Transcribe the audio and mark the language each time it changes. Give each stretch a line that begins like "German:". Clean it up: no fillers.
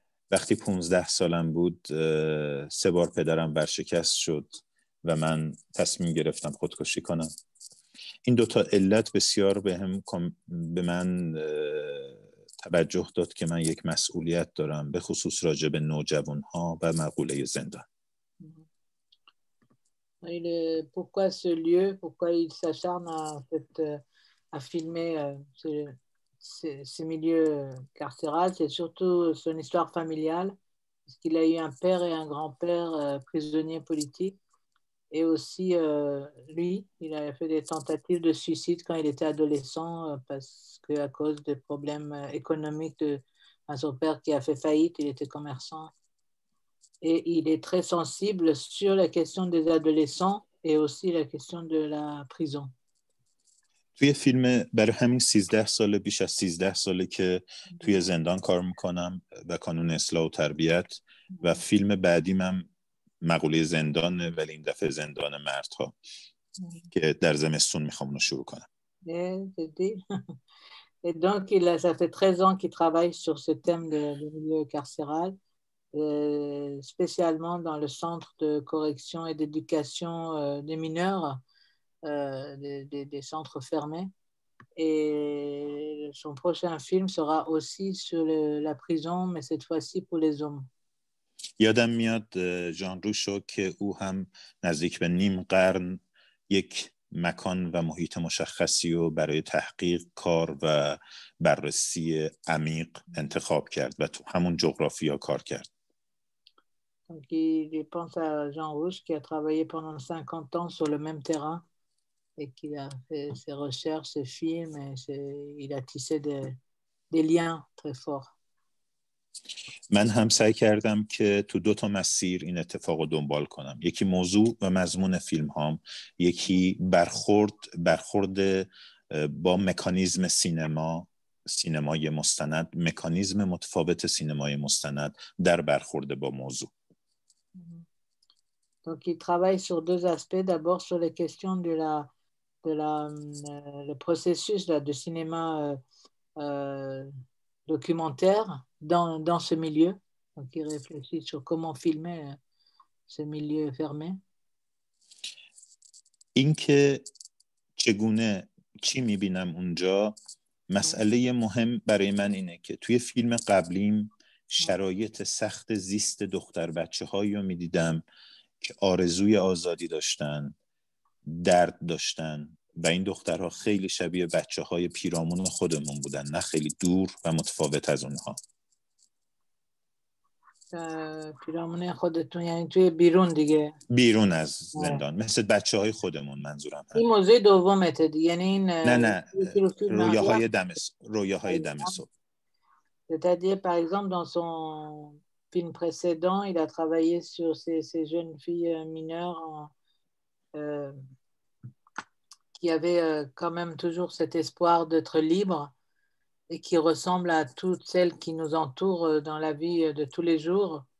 Persian: وقتی 15 سالم بود سه بار پدرم برشکست شد و من تصمیم گرفتم خودکشی کنم. این دوتا علت بسیار به من توجه داد که من یک مسئولیت دارم، به خصوص راجع به نوجوان‌ها و مقوله زندان.
French: Il est, pourquoi ce lieu, pourquoi il s'acharne à filmer ce milieu carcéral, c'est surtout son histoire familiale, parce qu'il a eu un père et un grand-père prisonniers politiques, et aussi lui, il a fait des tentatives de suicide quand il était adolescent, parce qu'à cause des problèmes économiques son père qui a fait faillite, il était commerçant. Et il est très sensible sur la question des adolescents et aussi la question de la prison.
Persian: توی فیلم برای همین 13 ساله، بیش از 13 ساله که توی زندان کار میکنم و کانون اصلاح و تربیت، و فیلم بعدیم هم مقوله زندان، ولی این دفعه زندان مردها که در زمستون میخوام اونو شروع کنم.
French: Et donc il a, ça fait 13 ans qu'il travaille sur ce thème de milieu carcéral. Spécialement dans le centre de correction et d'éducation des mineurs, des centres fermés. Et son prochain film sera aussi sur la prison, mais cette fois-ci pour les hommes.
Persian: یادم میاد جان روشو که او هم نزدیک به نیم قرن یک مکان و محیط مشخصی رو برای تحقیق، کار و بررسی عمیق انتخاب کرد و تو همون جغرافیا کار کرد.
French: Donc, il pense à Jean Rouge qui a travaillé pendant 50 ans sur le même terrain et qui a fait ses recherches, ses films, et il a tissé des liens très forts.
Persian: من هم سعی کردم که تو دو تا مسیر این اتفاق رو دنبال کنم، یکی موضوع و مضمون فیلم هام، یکی برخورد با مکانیزم سینما، سینمای مستند، مکانیزم متفاوت سینمای مستند در برخورد با موضوع.
French: Donc il travaille sur deux aspects, d'abord sur les questions de la le processus là, de cinéma documentaire dans ce milieu. Donc il réfléchit sur comment filmer ce milieu fermé.
Persian: اینکه چگونه چی می‌بینم اونجا مسئله مهم برای من اینه که توی فیلم قبلیم شرایط سخت زیست دختر بچه‌هایی رو می‌دیدم که آرزوی آزادی داشتن، درد داشتن و این دخترها خیلی شبیه بچه‌های پیرامون خودمون بودن، نه خیلی دور و متفاوت از اونها. پیرامون خودتون یعنی توی بیرون دیگه، بیرون از زندان، مثل بچه های خودمون منظورم. این موضوع دومته یعنی این نه رویاهای دمس، رویاهای دمس.
French: C'est-à-dire, par exemple, dans son film précédent, il a travaillé sur ces jeunes filles mineures qui avaient quand même toujours cet espoir d'être libres et qui ressemblent à toutes celles qui nous entourent dans la vie de tous les jours.